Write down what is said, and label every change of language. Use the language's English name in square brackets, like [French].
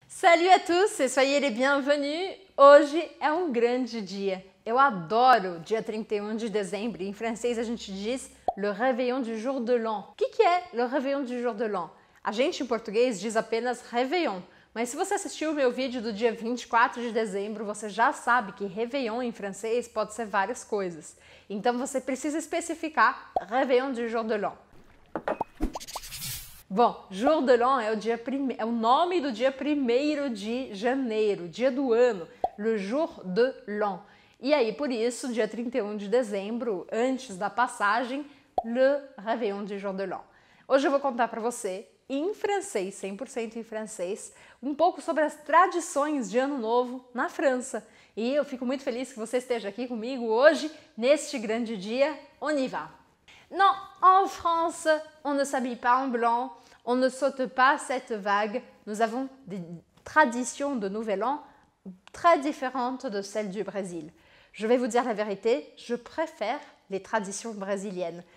[French] Salut a tous e soyez les bienvenus. [Portuguese] Hoje é um grande dia. Eu adoro dia 31 de dezembro. Em francês a gente diz [French] le réveillon du jour de l'an. [Portuguese] O que, que é [French] le réveillon du jour de l'an? [Portuguese] A gente em português diz apenas réveillon. Mas se você assistiu o meu vídeo do dia 24 de dezembro, você já sabe que réveillon em francês pode ser várias coisas. Então você precisa especificar [French] réveillon du jour de l'an. [Portuguese] Bom, jour de l'an é o nome do dia 1º de janeiro, dia do ano, [French] le jour de l'an. [Portuguese] E aí, por isso, dia 31 de dezembro, antes da passagem, [French] le réveillon du jour de l'an. [Portuguese] Hoje eu vou contar para você, em francês, 100% em francês, um pouco sobre as tradições de ano novo na França. E eu fico muito feliz que você esteja aqui comigo hoje, neste grande dia. [French] On y va! Non, en France, on ne s'habille pas en blanc, on ne saute pas cette vague. Nous avons des traditions de Nouvel An très différentes de celles du Brésil. Je vais vous dire la vérité, je préfère les traditions brésiliennes.